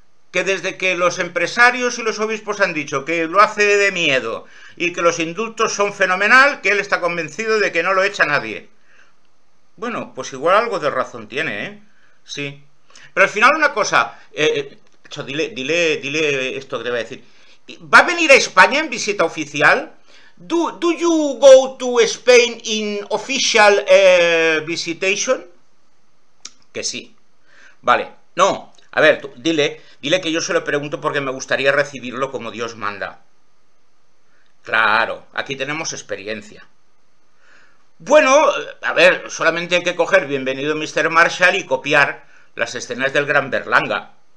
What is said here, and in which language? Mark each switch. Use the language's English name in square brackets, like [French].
[Spanish] Que desde que los empresarios y los obispos han dicho que lo hace de miedo y que los indultos son fenomenal, que él está convencido de que no lo echa nadie. Bueno, pues igual algo de razón tiene, ¿eh? Sí. Pero al final una cosa, dile esto que te voy a decir. ¿Va a venir a España en visita oficial? [English] Do you go to Spain in official visitation? [Spanish] Que sí. Vale. No. A ver, tú, dile que yo se lo pregunto porque me gustaría recibirlo como Dios manda. Claro, aquí tenemos experiencia. Bueno, a ver, solamente hay que coger Bienvenido Mr. Marshall y copiar las escenas del Gran Berlanga.